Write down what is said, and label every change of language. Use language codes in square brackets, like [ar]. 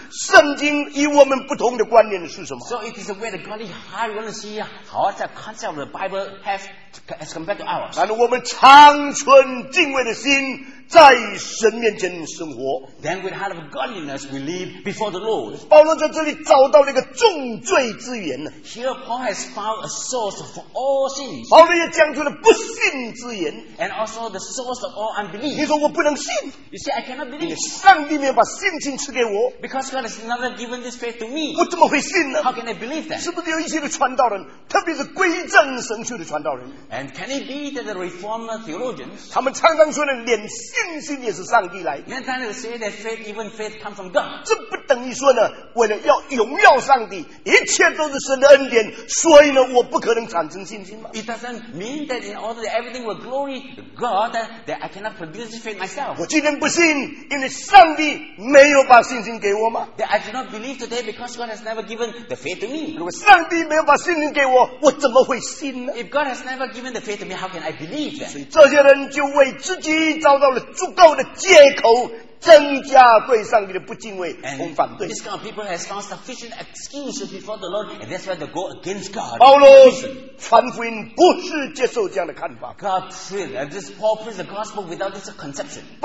[zh] 所以我们应该用敬畏的心看圣经与我们不同的观念是什么, [en] so it is a way that God is high. We want to see how the concept of the Bible has as compared to ours. [zh] 然后我们长存敬畏的心, 在神面前生活, [en] then with heart of godliness we live before the Lord. [zh] 保罗在这里找到了一个重罪之源, [en] here Paul has found a source for all sins. [zh] 保罗也讲出了不信之源, [en] and also the source of all unbelief. [zh] 你说我不能信, [en] you say I cannot believe, [zh] 上帝没有把信心赐给我, [en] because God has not given this faith to me, [zh] 我怎么会信呢? [en] How can I believe that? [zh] 是不是有一些的传道人, 特别是归正神学的传道人, [en] and can it be that the reformer theologians, [zh] 他们常常说的脸, 信心也是上帝来, [en] many times they say that faith, even faith comes from God. [zh] 这不等于说呢, 为了要荣耀上帝, 一切都是神的恩典, 所以呢, 我不可能产生信心吗? [en] It doesn't mean that in order that everything will glory God, that I cannot produce faith myself. [zh] 我今天不信, 因为上帝没有把信心给我吗? [en] That I do not believe today because God has never given the faith to me. [zh] 如果上帝没有把信心给我, 我怎么会信呢? [en] If God has never given the faith to me, how can I believe that? [zh] 所以这些人就为自己 找到了足够的借口增加对上帝的不敬畏, [en] and this kind of people has found sufficient excuses before the Lord, and that's why they go against God. [zh] 保罗传福音不是接受这样的看法, [en] God preached, and this Paul preached the gospel without this conception.